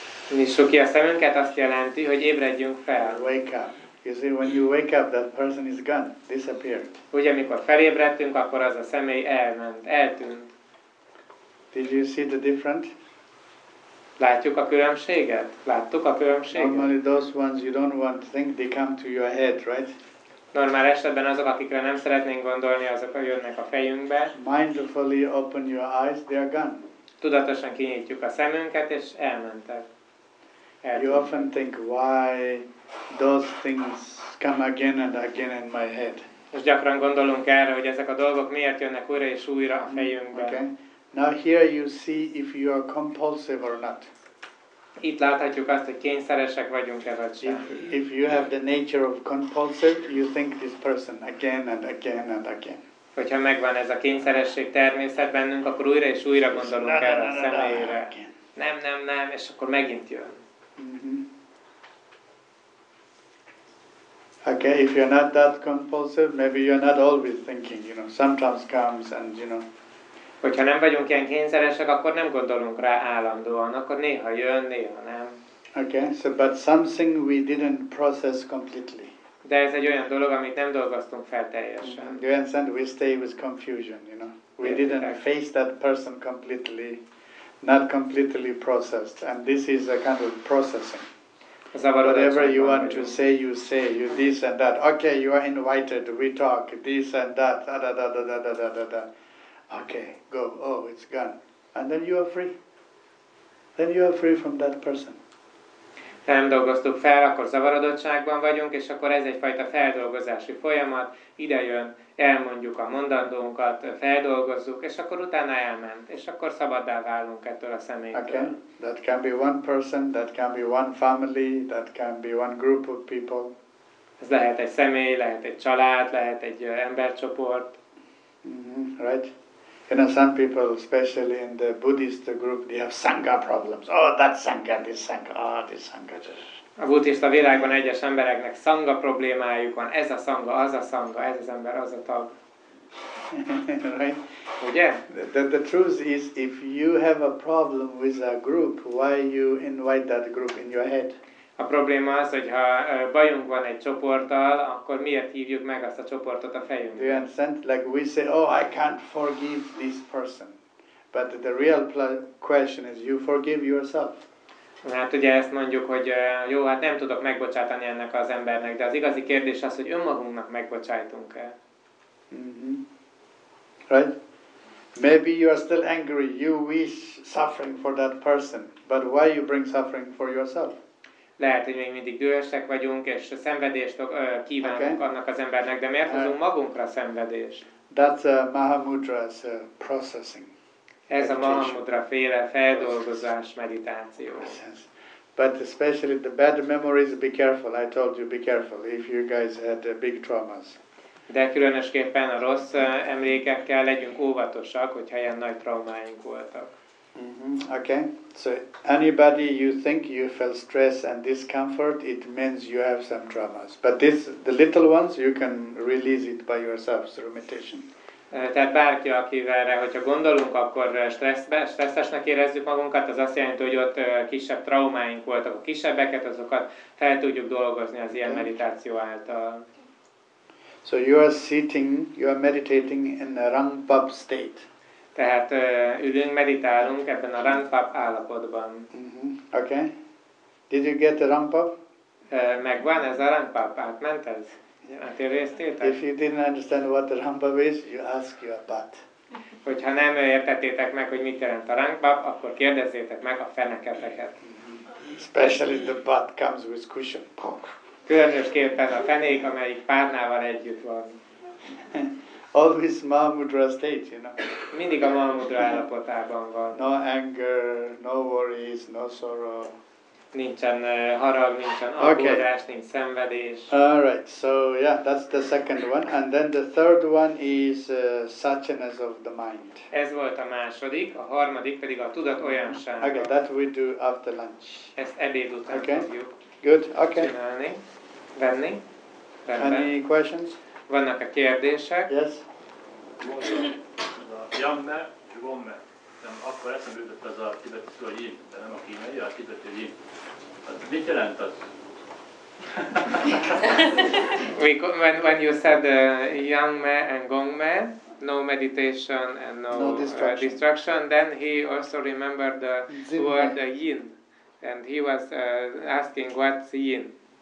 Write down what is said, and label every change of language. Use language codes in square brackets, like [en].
[hu] Nishuki a szemünket, azt jelenti, hogy ébredjünk fel. [en] Wake up. You see, when you wake up, that person is gone, disappeared. [hu] Ugye, amikor felébredtünk, akkor az a személy elment, eltűnt. [en] Did you see the difference? [hu] Látjuk a különbséget? Láttuk a különbséget? [en] Normally those ones you don't want to think, they come to your head, right? [hu] Normál esetben azok, akikre nem szeretnénk gondolni, azok jönnek a fejünkbe. [en] Mindfully open your eyes, they are gone. [hu] Tudatosan kinyitjuk a szemünket, és elmentek. Eltűnt. [en] You often think, why those things come again and again in my head. [hu] És gyakran gondolunk erre, hogy ezek a dolgok miért jönnek újra és újra a fejünkbe. [en] Okay. Now here you see if you are compulsive or not. [hu] Itt láthatjuk azt, hogy kényszeresek vagyunk-e vagy sem. [en] If you have the nature of compulsive, you think this person again and again and again. [hu] Hogyha megvan ez a kényszeresség természet bennünk, akkor újra és újra gondolunk erre a személyre. Nem, és akkor megint jön. [en] Okay, if you're not that compulsive, maybe you're not always thinking, you know, sometimes comes and, you know. [hu] Hogyha nem vagyunk ilyen kényszeresek, akkor nem gondolunk rá állandóan, akkor néha jön, néha nem. [en] Okay, so but something we didn't process completely. [hu] De ez egy olyan dolog, amit nem dolgoztunk fel teljesen. [en] You understand, we stay with confusion, you know. We didn't face that person completely, not completely processed, and this is a kind of processing. Whatever you want to say, you say, you this and that. Okay, you are invited, we talk, this and that, da-da-da-da-da-da-da-da-da. Okay, go, oh, it's gone. And then you are free. Then you are free from that person. [hu] Nem dolgoztuk fel, akkor zavarodottságban vagyunk, és akkor ez egyfajta feldolgozási folyamat. Ide jön, elmondjuk a mondandónkat, feldolgozzuk, és akkor utána elment. És akkor szabaddá válunk ettől a személytől. [en] Okay, that can be one person, that can be one family, that can be one group of people. [hu] Ez lehet egy személy, lehet egy család, lehet egy embercsoport. [en] Right? You know, some people, especially in the Buddhist group, they have sangha problems. Oh, that sangha, this sangha, oh, this sangha. [hu] A buddhista világban egyes embereknek sangha problémájuk van. Ez a sangha, ez az ember, az a tag. [en] Right? [hu] Ugye? [en] The truth is, if you have a problem with a group, why you invite that group in your head? [hu] A probléma az, hogy ha bajunk van egy csoporttal, akkor miért hívjuk meg azt a csoportot a fejünkbe? [en] Do you understand? Like we say, oh, I can't forgive this person. But the real question is, you forgive yourself. [hu] Hát ugye ezt mondjuk, hogy jó, hát nem tudok megbocsátani ennek az embernek, de az igazi kérdés az, hogy önmagunknak megbocsájtunk-e. [en] Right? Maybe you are still angry, you wish suffering for that person, but why you bring suffering for yourself? [hu] Lehet, hogy még mindig dühösek vagyunk, és szenvedést kívánunk annak az embernek, de miért hozunk magunkra szenvedést? [en] That's a Mahamudra's processing. [hu] Ez a Mahamudra féle feldolgozás, meditáció. [en] But especially the bad memories, be careful, I told you, be careful, if you guys had big traumas. [hu] De különösképpen a rossz emlékekkel legyünk óvatosak, hogyha ilyen nagy traumáink voltak. [en] Okay, so anybody you think you feel stress and discomfort, it means you have some traumas. But this, the little ones, you can release it by yourself through meditation. [hu] Tehát bárki, akivel, hogyha gondolunk, akkor stresszesnek érezzük magunkat, az azt jelenti, hogy ott kisebb traumáink voltak, a kisebbeket, azokat fel tudjuk dolgozni az ilyen meditáció által. [en] So you are sitting, you are meditating in a Rangpab state. [hu] Tehát ülünk, meditálunk ebben a Rangpab állapotban. [en] Okay. Did you get the Rangpab? [hu] Megvan ez a Rangpab, átment ez? Átérésztétek? [en] If you didn't understand what the Rangpab is, you ask your butt. [hu] Hogyha nem értettétek meg, hogy mit jelent a Rangpab, akkor kérdezzétek meg a feneketeket. [en] Especially the butt comes with cushion. [hu] Különösképpen a fenék, amelyik párnával együtt van. [en] Always Mahamudra state, you know. [hu] Mindig a Mahamudra állapotában van. [en] No anger, no worries, no sorrow. [hu] Nincsen harag, nincsen aggódás, nincs szenvedés. [en] All right, so yeah, that's the second one. And then the third one is suchness of the mind. [hu] Ez volt a második, a harmadik pedig a tudat olyansága. [en] Okay, that we do after lunch. [hu] Ezt ebéd után fogjuk. [en] Good, okay. [hu] Csinálni. venni. Rendben. [en] Any questions? [hu] Vannak a kérdések? [en] Yes. Janne, Jomme. [hu] Akkor eszembe jutott ez a tibeti szó, hogy így, de nem a kínai, a tibeti, hogy így. Az mit jelent az? [en] when you said Yangme and Gongme, no meditation and no distraction, then he also remembered the Zin word Yin, and he was asking what's Yin.